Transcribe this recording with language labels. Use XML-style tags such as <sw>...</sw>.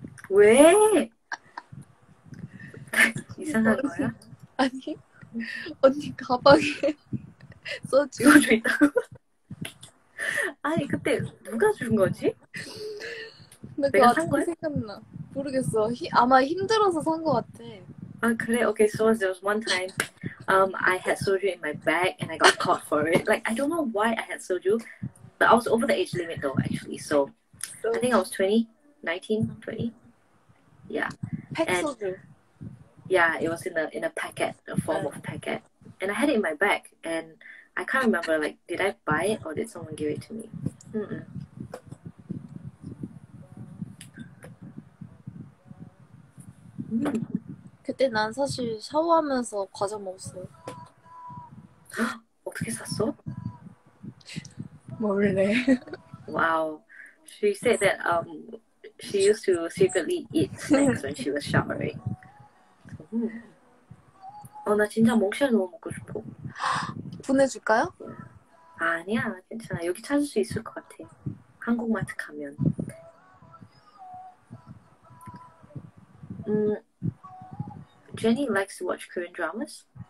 <ko>왜 이상한 언니, 거야 아니 언니 가방에 소주 소주 있다고 아니 그때 누가 준 거지 내가 그 산 거 생각나 모르겠어. 아마 힘들어서 산 것 같아. 아 그래.</ko> <en>Okay. So there was one time, I had soju in my bag and I got caught for it. Like I don't know why I had soju, but I was over the age limit though actually. So I think I was 20, 19, 20. Yeah. Pack soju. Yeah, it was in a packet, a form of packet, and I had it in my bag and I can't remember like did I buy it or did someone give it to me. Mm.</en> <ko>그때 난 사실 샤워하면서 과자 먹었어요. 어떻게 샀어? 모르네.</ko> <en>Wow. She said that she used to secretly eat snacks when she was showering.</en> <ko>나 진짜 몽쉘 너무 먹고 싶어. 보내줄까요? 아니야 괜찮아 여기 찾을 수 있을 것 같아. 한국 마트 가면.</ko> <en>제니 likes to watch Korean dramas.</en>